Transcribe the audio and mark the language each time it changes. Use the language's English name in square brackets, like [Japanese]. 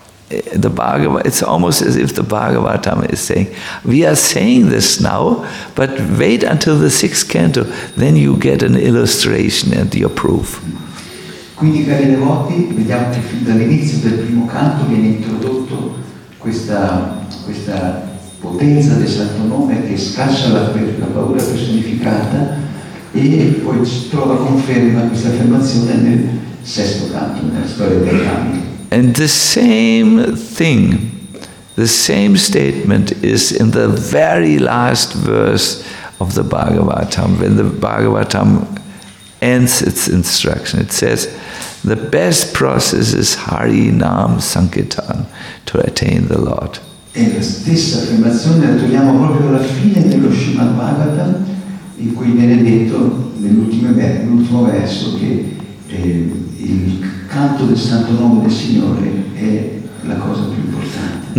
[English] It's almost as if the Bhagavatam is saying, we are saying this now, but wait until the sixth canto, then you get an illustration and your proof. [Italian] Quindi, cari devoti, vediamo che fin dall'inizio del primo canto viene introdotto questa potenza del santo nome che scaccia la paura personificata, e poi si trova conferma questa affermazione nel sesto canto, nella storia dei cammini. [English] And the same thing, the same statement is in the very last verse of the Bhagavatam. When the Bhagavatam ends its instruction, it says, the best process is Hari Nam Sankirtan, to attain the Lord. [Italian] E la stessa affermazione la troviamo proprio alla fine dello Srimad Bhagavatam, in cui viene detto nell'ultimo verso che il canto del santo nome del Signore è la cosa più importante.